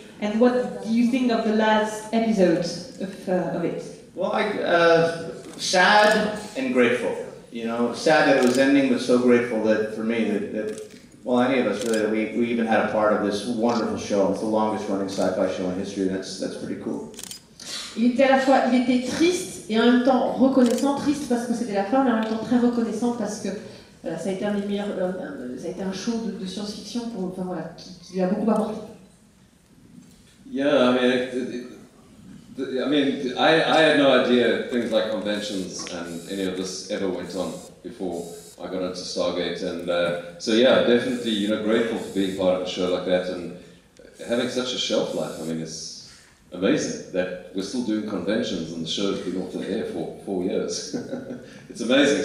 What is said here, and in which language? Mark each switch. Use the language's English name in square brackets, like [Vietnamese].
[English] And what do you think of the last episode of it? Well, sad and grateful. You know, sad that it was ending, but so grateful that for me, that any of us really, that we even had a part of this wonderful show. It's the longest running sci-fi show in history, and that's pretty cool. [French] Il était à la fois, il était triste et en même temps reconnaissant, triste parce que c'était la fin, mais en même temps très reconnaissant parce que voilà, ça a été un des meilleurs, ça a été un show de science-fiction pour, enfin voilà, qui lui a beaucoup apporté. [English] Yeah, I mean, I had no idea things like conventions and any of this ever went on before I got into Stargate, and so yeah, definitely, you know, grateful for being part of a show like that and having such a shelf life. I mean, it's amazing that we're still doing conventions and the show has been off the air for 4 years. It's amazing.